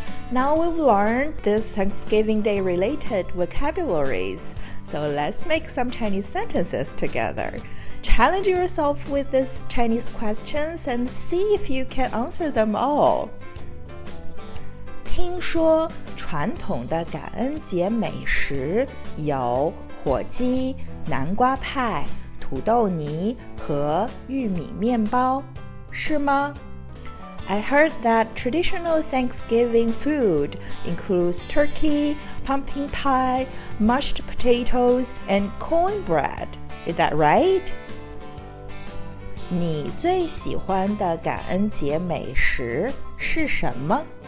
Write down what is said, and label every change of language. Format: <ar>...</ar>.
<en>Now we've learned this Thanksgiving Day related vocabularies, so let's make some Chinese sentences together. Challenge yourself with these Chinese questions and see if you can answer them all.</en> <zh>听说传统的感恩节美食有火鸡、南瓜派、土豆泥和玉米面包，是吗？</zh> <en>I heard that traditional Thanksgiving food includes turkey, pumpkin pie, mashed potatoes, and corn bread. Is that right?</en> <zh>你最喜欢的感恩节美食是什么?</zh>